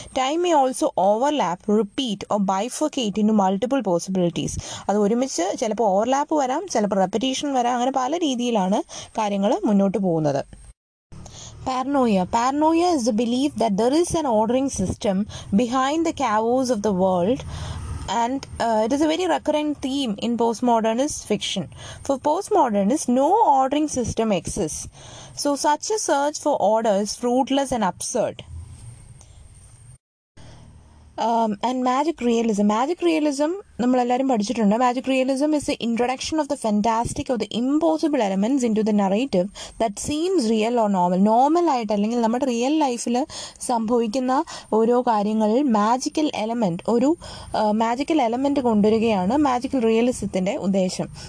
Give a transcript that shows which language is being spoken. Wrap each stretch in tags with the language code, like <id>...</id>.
<en>Time may also overlap repeat or bifurcate in multiple possibilities.</en> <ml>അത് ഒരുമിച്ച് ചിലപ്പോൾ overlap വരാം, ചിലപ്പോൾ റെപ്പറ്റീഷൻ വരാം, അങ്ങനെ പല രീതിയിലാണ് കാര്യങ്ങൾ മുന്നോട്ട് പോകുന്നത്. Paranoia.</ml> <en>Paranoia is the believe that there is an ordering system behind the chaos of the world. And it is a very recurrent theme in postmodernist fiction. For postmodernists, no ordering system exists. So such a search for order is fruitless and absurd. And magic realism. Magic realism,</en> <ml>നമ്മൾ എല്ലാവരും പഠിച്ചിട്ടുണ്ട്.</ml> <en>Magic realism is the introduction of the fantastic of the impossible elements in to the narrative that seems real or normal.</en> <ml>Normal ആയിട്ട് അല്ലെങ്കിൽ നമ്മുടെ real ലൈഫിൽ സംഭവിക്കുന്ന ഓരോ കാര്യങ്ങളിൽ മാജിക്കൽ എലമെൻറ്റ്, ഒരു മാജിക്കൽ എലമെൻറ്റ് കൊണ്ടുവരികയാണ് മാജിക്കൽ റിയലിസത്തിൻ്റെ ഉദ്ദേശം.</ml>